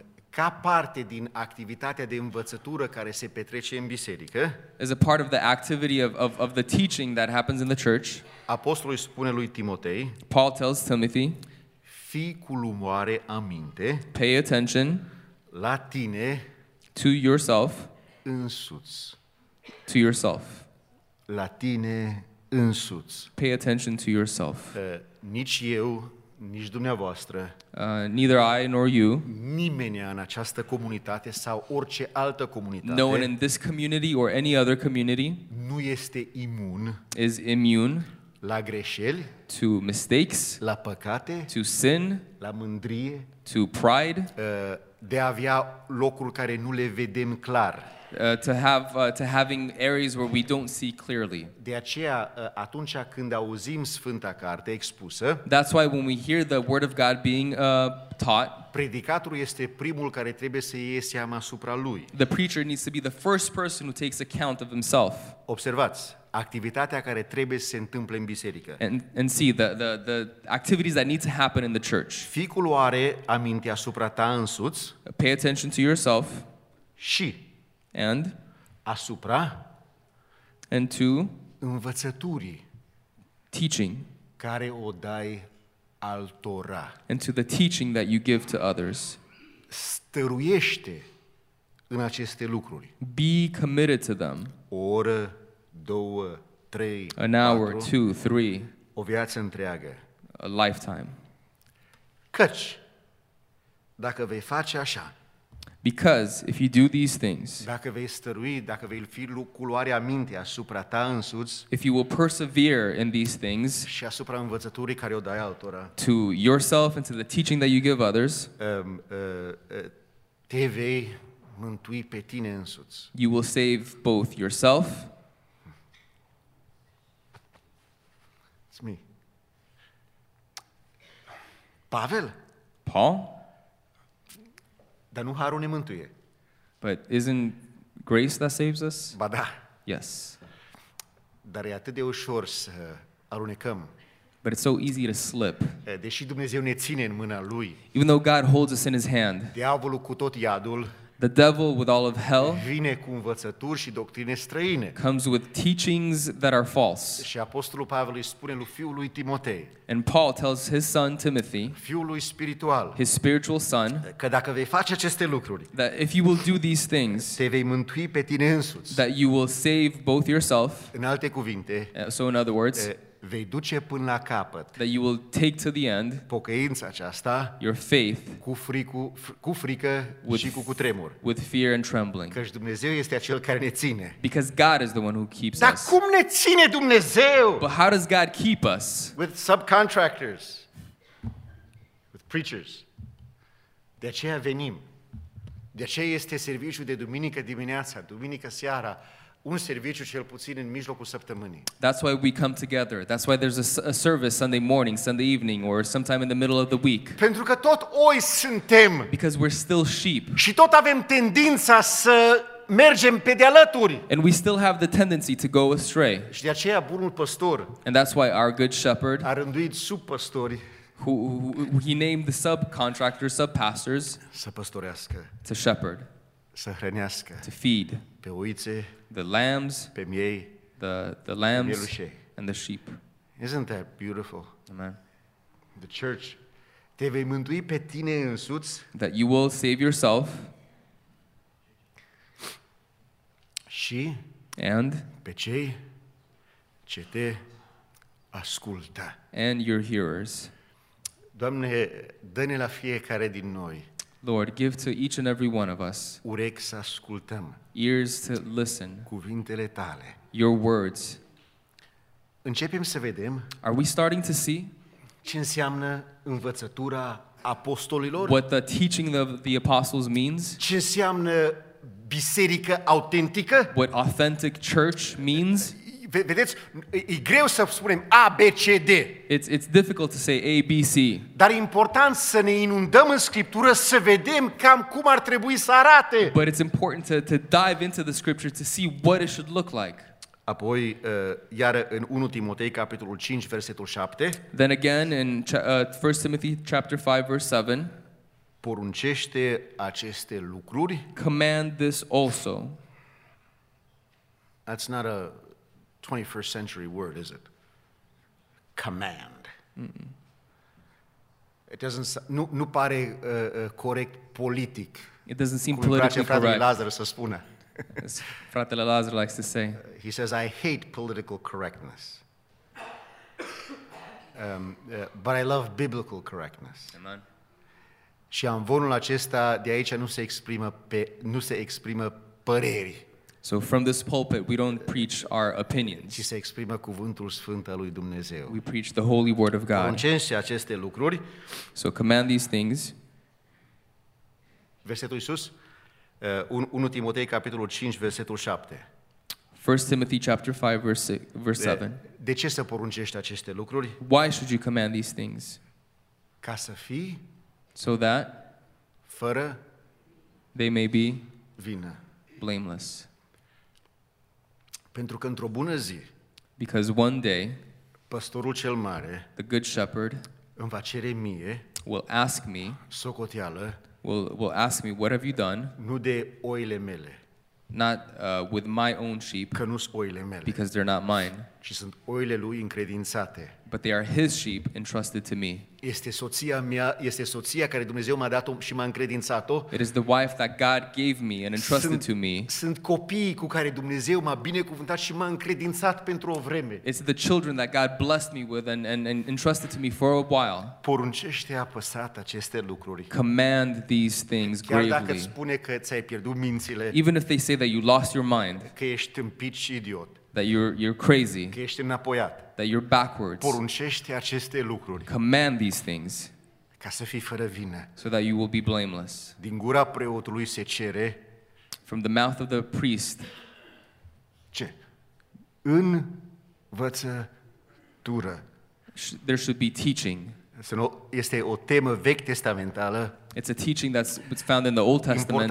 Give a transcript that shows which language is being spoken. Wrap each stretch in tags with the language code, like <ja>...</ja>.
<ro>Ca parte din activitatea de învățătură care se petrece în biserică,</ro> <en>as a part of the activity of the teaching that happens in the church,</en> <ro>apostolul îi spune lui Timotei,</ro> <en>Paul tells Timothy,</en> <ro>fii cu lumoare aminte,</ro> <en>pay attention,</en> <ro>la tine,</ro> <en>to yourself,</en> <ro>însuți,</ro> <en>to yourself,</en> <ro>la tine însuți,</ro> <en>pay attention to yourself.</en> <ro>Nici eu, nici dumneavoastră,</ro> <en>neither I nor you,</en> <ro>nimeni în această comunitate sau orice altă comunitate,</ro> <en>no one in this community or any other community,</en> <ro>nu este imun,</ro> <en>is immune,</en> <ro>la greșeli,</ro> <en>to mistakes,</en> <ro>la păcate,</ro> <en>to sin,</en> <ro>la mândrie,</ro> <en>to pride,</en> <ro>de a avea locuri care nu le vedem clar,</ro> <en>to having areas where we don't see clearly.</en> <ro>De aceea atunci când auzim Sfânta Carte expusă,</ro> <en>that's why when we hear the word of God being taught,</en> <ro>predicatorul este primul care trebuie să ia seama asupra lui.</ro> <en>The preacher needs to be the first person who takes account of himself.</en> <ro>Observați activitatea care trebuie să se întâmple în biserică.</ro> <en>And see the activities that need to happen in the church.</en> <ro>Fii cu luare aminte asupra ta însuți.</ro> <en>Pay attention to yourself.</en> <ro>Și</ro> <en>and</en> <ro>asupra</ro> <en>and to</en> <ro>învățăturii</ro> <en>teaching</en> <ro>care o dai altora.</ro> <en>And to the teaching that you give to others.</en> <ro>Stăruiește în aceste lucruri.</ro> <en>Be committed to them.</en> <ro>O oră, două, trei,</ro> <en>an hour,</en> <ro>patru,</ro> <en>two, three,</en> <ro>o viață întreagă,</ro> <en>a lifetime.</en> <ro>Căci dacă vei face așa,</ro> <en>because if you do these things,</en> <ro>dacă vei stărui, dacă vei fi cu luare aminte asupra ta însuți,</ro> <en>if you will persevere in these things,</en> <ro>și asupra învățăturii care o dai altora,</ro> <en>to yourself and to the teaching that you give others,</en> <ro>te vei mântui pe tine însuți.</ro> <en>You will save both yourself. Me.</en> <ro>Pavel?</ro> <en>Paul?</en> <ro>Dar nu harul ne mântuie.</ro> <en>But isn't grace that saves us?</en> <ro>Ba da.</ro> <en>Yes.</en> <ro>Dar e atât de ușor să alunecăm.</ro> <en>But it's so easy to slip.</en> <ro>Deși Dumnezeu ne ține în mâna lui.</ro> <en>Even though God holds us in his hand.</en> <ro>Diavolul cu tot iadul.</ro> <en>The devil with all of hell</en> <ro>vine cu învățături și doctrine străine.</ro> <en>Comes with teachings that are false.</en> <ro>Și apostolul Pavel îi spune lui fiul lui Timotei.</ro> <en>And Paul tells his son Timothy,</en> <ro>fiul lui spiritual,</ro> <en>his spiritual son,</en> <ro>că dacă vei face aceste lucruri,</ro> <en>that if you will do these things,</en> <ro>te vei mântui pe tine însuți,</ro> <en>that you will save both yourself,</en> <ro>în alte cuvinte,</ro> <en>so in other words,</en> <ro>vei duce până la capăt,</ro> <en>that you will take to the end,</en> <ro>pocăința aceasta,</ro> <en>your faith,</en> <ro>cu frică</ro> <en>with,</en> <ro>și cu tremur,</ro> <en>with fear and trembling,</en> <ro>căci Dumnezeu este acel care ne ține,</ro> <en>because God is the one who keeps</en> <ro>dar</ro> <en>us.</en> <ro>Dar cum ne ține Dumnezeu?</ro> <en>But how does God keep us? With subcontractors, with preachers.</en> <ro>De aceea venim, de aceea este serviciul de duminică dimineața, duminică seara, un serviciu cel puțin în mijlocul săptămânii.</ro> <en>That's why we come together. That's why there's a service Sunday morning, Sunday evening, or sometime in the middle of the week.</en> <ro>Pentru că tot oi suntem.</ro> <en>Because we're still sheep.</en> <ro>Și tot avem tendința să mergem pe de alături.</ro> <en>And we still have the tendency to go astray.</en> <ro>Și de aceea bunul păstor.</ro> <en>And that's why our good shepherd.</en> <ro>A rânduit sub păstori.</ro> <en>Who he named the subcontractors, sub-pastors.</en> <ro>Să păstorească.</ro> <en>To shepherd.</en> <ro>Să hrănească.</ro> <en>To feed.</en> <ro>Pe oițe.</ro> <en>The lambs,</en> <ro>pe miei,</ro> <en>the lambs, and the sheep. Isn't that beautiful? Amen. The church.</en> <ro>Te vei mântui pe tine însuți.</ro> <en>That you will save yourself.</en> <ro>Și</ro> <en>and</en> <ro>pe cei ce te ascultă.</ro> <en>And your hearers.</en> <ro>Doamne, dă-ne la fiecare din noi.</ro> <en>Lord, give to each and every one of us</en> <ro>urechi să ascultăm,</ro> <en>ears to listen,</en> <ro>cuvintele tale,</ro> <en>your words.</en> <ro>Începem să vedem,</ro> <en>are we starting to see</en> <ro>ce înseamnă învățătura apostolilor?</ro> <en>What the teaching of the apostles means?</en> <ro>Ce înseamnă biserică autentică?</ro> <en>What authentic church means?</en> <ro>Vedeți, e greu să spunem A, B, C, D.</ro> <en>It's difficult to say A, B, C.</en> <ro>Dar e important să ne inundăm în Scriptură să vedem cam cum ar trebui să arate.</ro> <en>But it's important to dive into the Scripture to see what it should look like.</en> <ro>Apoi, iar în 1 Timotei, capitolul 5, versetul 7.</ro> <en>Then again, in 1 Timothy, chapter 5, verse 7.</en> <ro>Poruncește aceste lucruri.</ro> <en>Command this also. That's not a 21st century word, is it? Command. Mm-hmm. It doesn't</en> <ro>nu pare corect politic.</ro> <en>It doesn't seem politically correct.</en> <ro>Cum îi place fratele Lazar să spună.</ro> <en>As fratele Lazar likes to say. He says, I hate political correctness. But I love biblical correctness. Amen.</en> <ro>Și amvonul acesta de aici nu se exprimă păreri.</ro> <en>So from this pulpit we don't preach our opinions.</en> <ro>Ci se exprimă cuvântul sfânt al lui Dumnezeu.</ro> <en>We preach the holy word of God.</en> <ro>Poruncește aceste lucruri.</ro> <en>So command these things.</en> <ro>Versetul sus, 1 Timotei capitolul 5 versetul 7.</ro> <en>1 Timothy chapter 5 verse 7.</en> <ro>De ce să poruncești aceste lucruri?</ro> <en>Why should you command these things?</en> <ro>Ca să fii</ro> <en>so that</en> <ro>fără</ro> <en>they may be</en> <ro>vină.</ro> <en>Blameless.</en> <ro>Pentru că într-o bună zi,</ro> <en>because one day,</en> <ro>păstorul cel mare,</ro> <en>the good shepherd,</en> <ro>îmi va cere mie,</ro> <en>will ask me,</en> <ro>socoteală,</ro> <en>will ask me, what have you done?</en> <ro>Nu de oile mele,</ro> <en>not with my own sheep,</en> <ro>că nu-s oile mele,</ro> <en>because they're not mine,</en> <ro>ci sunt oile lui încredințate.</ro> <en>But they are his sheep entrusted to me.</en> <ro>Este soția mea, este soția care Dumnezeu m-a dat-o și m-a încredințat-o.</ro> <en>It is the wife that God gave me and entrusted to me.</en> <ro>Sunt copiii cu care Dumnezeu m-a binecuvântat și m-a încredințat pentru o vreme.</ro> <en>It's the children that God blessed me with and entrusted to me for a while.</en> <ro>Poruncește apăsat aceste lucruri.</ro> <en>Command these things gravely.</en> <ro>Chiar dacă spune că ți-ai pierdut mințile.</ro> <en>Even if they say that you lost your mind.</en> <ro>Că ești tâmpit și idiot.</ro> <en>That you're crazy.</en> <ro>Că ești înapoiat.</ro> <en>That you're backwards.</en> <ro>Poruncește aceste lucruri.</ro> <en>Command these things.</en> <ro>Ca să fii fără vină.</ro> <en>So that you will be blameless.</en> <ro>Din gura preotului se cere.</ro> <en>From the mouth of the priest.</en> <ro>Ce? Învățătură.</ro> <en>There should be teaching.</en> <ro>Este o temă vechi testamentală.</ro> <en>It's a teaching that's found in the Old Testament.</en>